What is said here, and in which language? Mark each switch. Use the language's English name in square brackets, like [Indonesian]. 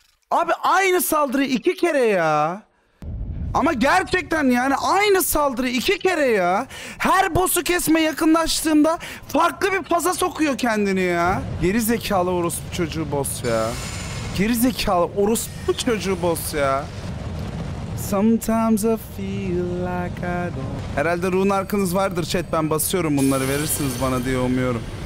[Turkish] Abi aynı saldırıyı iki kere ya. Ama gerçekten yani aynı saldırı iki kere ya. Her boss'u kesme yakınlaştığımda farklı bir faza sokuyor kendini ya. Gerizekalı orospu çocuğu boss ya. Gerizekalı orospu çocuğu boss ya. [English] Sometimes I feel like I don't. [Turkish] Herhalde rune arkınız vardır chat, ben basıyorum bunları, verirsiniz bana diye umuyorum.